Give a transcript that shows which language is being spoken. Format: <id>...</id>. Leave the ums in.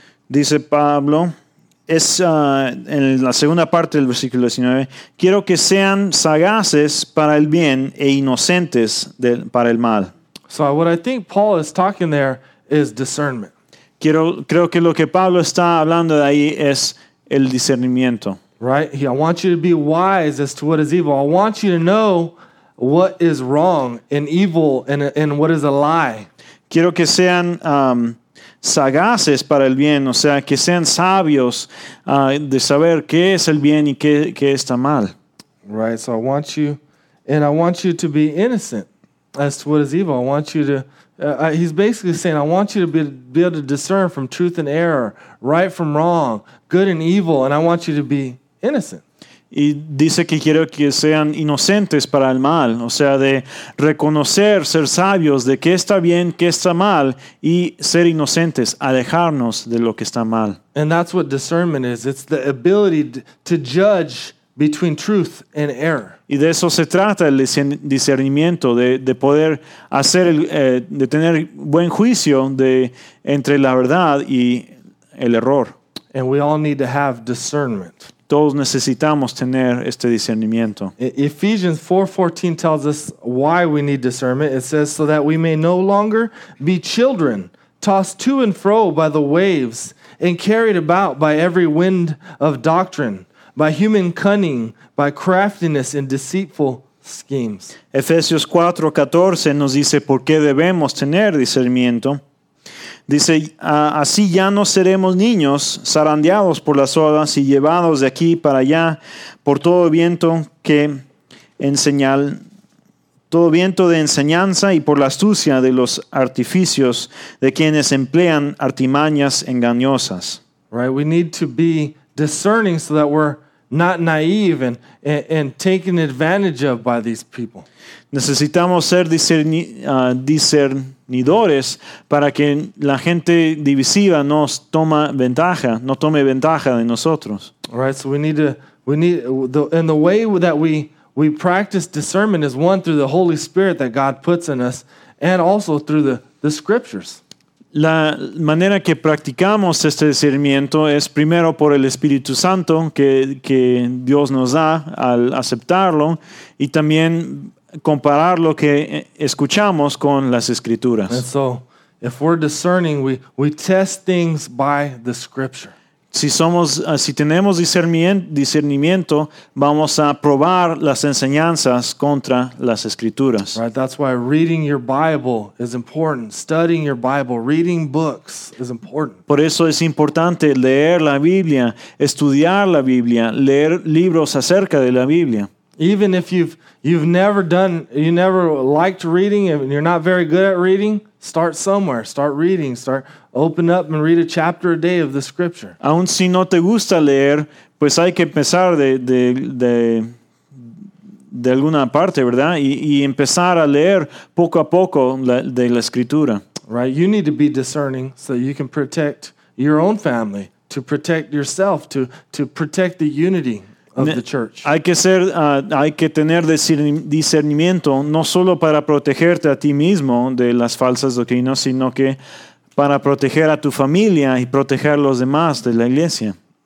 <es>dice Pablo, es uh, en la segunda parte del versículo 19, quiero que sean sagaces para el bien e inocentes de, para el mal.</es> <en>So what I think Paul is talking there is discernment.</en> <es>Quiero, creo que lo que Pablo está hablando de ahí es el discernimiento.</es> <en>Right? I want you to be wise as to what is evil. I want you to know what is wrong and evil and, and what is a lie.</en> <es>Quiero que sean... Um, sagaces para el bien, o sea, que sean sabios uh, de saber qué es el bien y qué, qué, está mal.</es> <en>Right, so I want you, and I want you to be innocent as to what is evil. I want you to, uh, I, he's basically saying, I want you to be, be able to discern from truth and error, right from wrong, good and evil, and I want you to be innocent.</en> <es>y dice que quiere que sean inocentes para el mal, o sea, de reconocer, ser sabios de qué está bien, qué está mal y ser inocentes, alejarnos de lo que está mal. Y de eso se trata el discernimiento de, de poder hacer el, eh, de tener buen juicio de entre la verdad y el error.</es> <en>Y we all need to have discernment.</en> <es>todos necesitamos tener este discernimiento.</es> <en>E Ephesians 4:14 4, tells us why we need discernment. It says so that we may no longer be children tossed to and fro by the waves and carried about by every wind of doctrine, by human cunning, by craftiness and deceitful schemes.</en> <es>Efesios 4:14 4, nos dice por qué debemos tener discernimiento. Dice, uh, así ya no seremos niños zarandeados por las olas y llevados de aquí para allá por todo viento que enseñal, todo viento de enseñanza y por la astucia de los artificios de quienes emplean artimañas engañosas.</es> <en>Right, we need to be discerning so that we're not naive and, and, taken advantage of by these people.</en> <es>Necesitamos ser discerni- uh, discernidores para que la gente divisiva nos toma ventaja, no tome ventaja de nosotros.</es> <en>All right, so we need to, we need, and the way that we, we practice discernment is one through the Holy Spirit that God puts in us and also through the, the scriptures.</en> <es>la manera que practicamos este discernimiento es primero por el Espíritu Santo que, que, Dios nos da al aceptarlo y también comparar lo que escuchamos con las escrituras.</es> <en>And so, if we're discerning, we, we test things by the scripture.</en> <es>Si, somos, si tenemos discernimiento, vamos a probar las enseñanzas contra las escrituras.</es> <en>Right, that's why reading your Bible is important. Studying your Bible, reading books is important.</en> <es>Por eso es importante leer la Biblia, estudiar la Biblia, leer libros acerca de la Biblia.</es> <en>Even if you've, you've never done, you never liked reading and you're not very good at reading, Start somewhere. Start reading. Start open up and read a chapter a day of the scripture.</en> <es>Aun si no te gusta leer, pues hay que empezar de de de de alguna parte, verdad? Y y empezar a leer poco a poco de la escritura.</es> <en>Right. You need to be discerning so you can protect your own family, to protect yourself, to to protect the unity</en> <es>Hay que, ser, uh, hay que tener discernimiento no solo para protegerte a ti mismo de las falsas doctrinas, sino que para proteger a tu familia y proteger a los demás de la iglesia.</es>